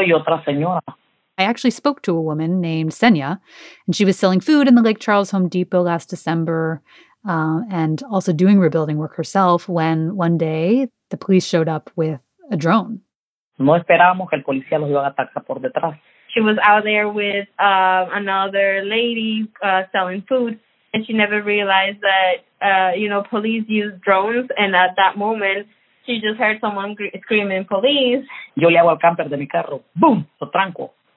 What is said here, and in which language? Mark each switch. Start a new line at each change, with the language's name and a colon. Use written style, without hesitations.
English: I actually spoke to a woman named Senya, and she was selling food in the Lake Charles Home Depot last December. and also doing rebuilding work herself when one day the police showed up with a drone.
Spanish: No esperábamos que el policía los iba a atacar por detrás.
English: She was out there with another lady selling food, and she never realized that, you know, police use drones. And at that moment, she just heard someone screaming, police.
Spanish: Yo le hago al camper de mi carro. Boom, lo tranco.